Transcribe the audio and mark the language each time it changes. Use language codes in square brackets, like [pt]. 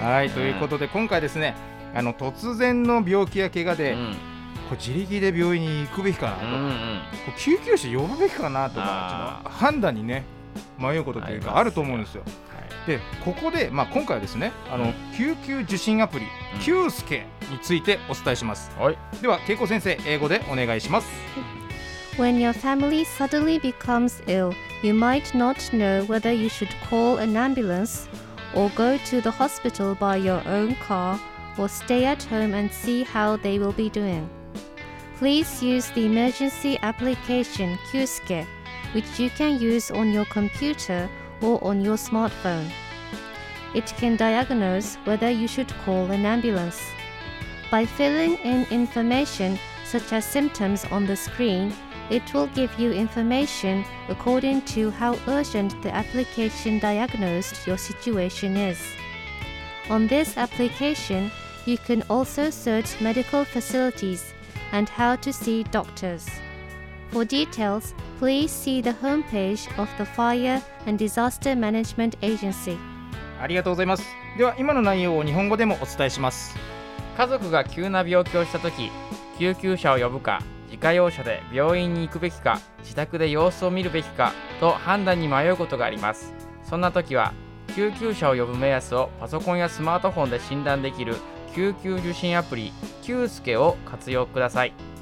[ja] はい、ということで今回ですね、あの突然の病気や怪我で、自力で病院に行くべきかなと、救急車呼ぶべきかなとか、判断にね迷うことというかあると思うんですよ。でここで、まあ、今回はですね、あの、救急受診アプリ、キュースケについてお伝えします、はい、では恵子先生、英語でお願いします。 [en] When your family suddenly becomes ill, you might not know whether you should call an ambulance or go to the hospital by your own car or stay at home and see how they will be doing. Please use the emergency application キュースケ which you can use on your computerOr on your smartphone. It can diagnose whether you should call an ambulance. By filling in information such as symptoms on the screen, it will give you information according to how urgent the application diagnosed your situation is. On this application, you can also search medical facilities and how to see doctors. For details, please see the homepage of the Fire and Disaster Management Agency. [ja] ありがとうございます。では今の内容を日本語でもお伝えします。家族が急な病気をしたとき、救急車を呼ぶか、自家用車で病院に行くべきか、自宅で様子を見るべきかと判断に迷うことがあります。そんなときは、救急車を呼ぶ目安をパソコンやスマートフォンで診断できる救急受診アプリ、キュースケを活用ください。